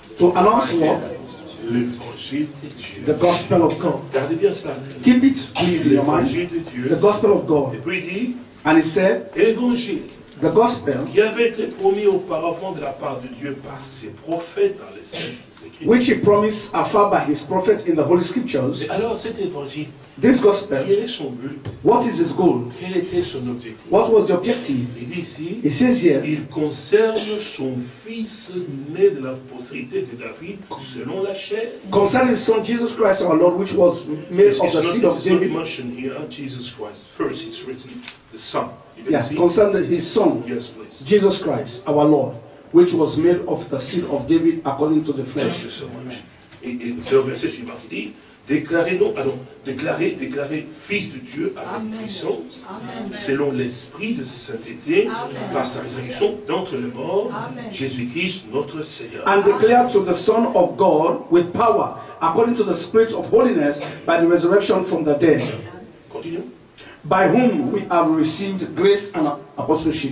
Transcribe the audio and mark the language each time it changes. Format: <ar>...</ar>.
<en>to announce what? The gospel of God.</en> <fr>Gardez bien cela.</fr> <en>Keep it please in your mind.</en> <fr>De Dieu.</fr> <en>The gospel of God.</en> <fr>Et puis il dit,</fr> <en>and he said,</en> <fr>évangile.</fr> <en>The gospel,</en> <fr>qui avait été promis auparavant de la part de Dieu par ses prophètes dans les Écritures.</fr> <en>Which he promised afar by his prophets in the Holy Scriptures.</en> <fr>Et alors cet évangile,</fr> <en>this gospel,</en> <fr>quel est son but?</fr> <en>What is his goal?</en> <fr>Quel était son objectif?</fr> <en>What was the objective?</en> <fr>Il dit ici,</fr> <en>it says here,</en> <fr>il concerne son fils né de la postérité de David selon la chair.</fr> <en>Concerning son Jesus Christ our Lord, which was made of the seed of David. It's not mentioned here, Jesus Christ. First, it's written the Son. Yes, concerning his son, yes, Jesus Christ, our Lord, which was made of the seed of David according to the flesh.</en> <fr>Yes, et c'est le verset suivant qui dit, déclaré fils de Dieu avec puissance,</fr> <en>Amen.</en> <fr>Selon l'esprit de sainteté, par sa résurrection d'entre les morts, Jésus-Christ, notre Seigneur.</fr> <en>And declared to the Son of God with power, according to the spirit of holiness, by the resurrection from the dead.</en> <fr>Continuons.</fr> <en>By whom we have received grace and apostleship.</en>